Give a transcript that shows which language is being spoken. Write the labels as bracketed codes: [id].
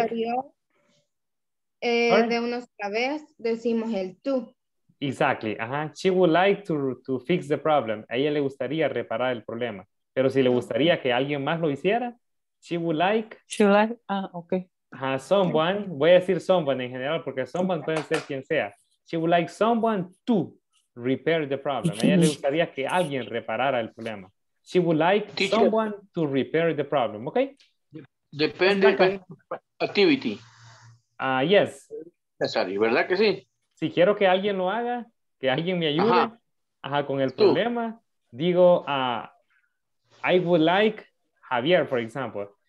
[es] Anterior, de una otra vez decimos el tú. [en] Exactly. Uh-huh. She would like to fix the problem. [es] A ella le gustaría reparar el problema. Pero si le gustaría que alguien más lo hiciera, [en] she would like... She would like... okay. Someone. [es] Voy a decir someone en general porque someone puede ser quien sea. [en] She would like someone to repair the problem. [es] A ella le gustaría que alguien reparara el problema. [en] She would like someone to repair the problem. Okay? [es] Depende de activity. [en] Yes. [es] Necesario, ¿verdad que sí? Si quiero que alguien lo haga, que alguien me ayude con el problema, digo, [en] I would like Javier, for example.